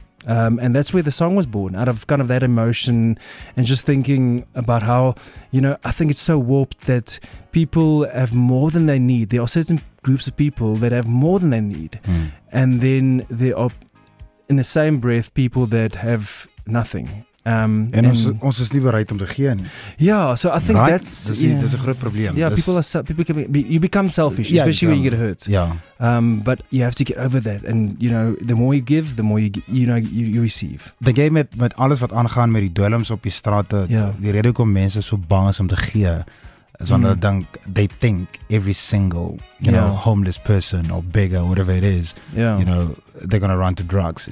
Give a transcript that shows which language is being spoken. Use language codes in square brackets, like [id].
[en] And that's where the song was born, out of kind of that emotion and just thinking about how, you know, I think it's so warped that people have more than they need. There are certain groups of people that have more than they need. And then there are, in the same breath, people that have nothing. [af] And ons is nie bereid om te gee nie. [en] Yeah, so I think right? that's [af] a groot probleem. [en] Yeah, you become selfish, yeah, especially when you get hurt. Yeah. But you have to get over that, and you know, the more you give, the more you receive. [af] The game met alles wat aangaan met die dwelms op die strate, die rede hoekom mense so bang is om te gee, is want [en] they think every single, you know, homeless person or beggar, whatever it is, you know, they're going to run to drugs.